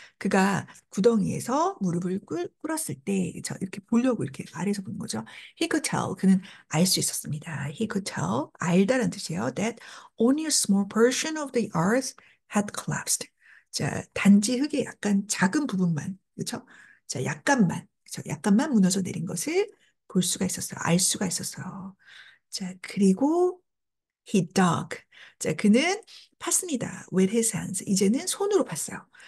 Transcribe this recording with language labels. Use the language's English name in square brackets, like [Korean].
[Korean] 그가 구덩이에서 무릎을 꿇었을 때, 저 이렇게 보려고 이렇게 아래에서 보는 거죠. [English] He could tell. [Korean] 그는 알수 있었습니다. [English] He could tell. [Korean] 알다란 뜻이에요. [English] That only a small portion of the earth had collapsed. [Korean] 자, 단지 흙의 약간 작은 부분만, 그렇죠? 자, 약간만, 그렇죠? 약간만 무너져 내린 것을 볼 수가 있었어요. 알 수가 있었어요. 자, 그리고 [English] he dug. [Korean] 자, 그는 팠습니다. [English] With his hands. [Korean] 이제는 손으로 팠어요.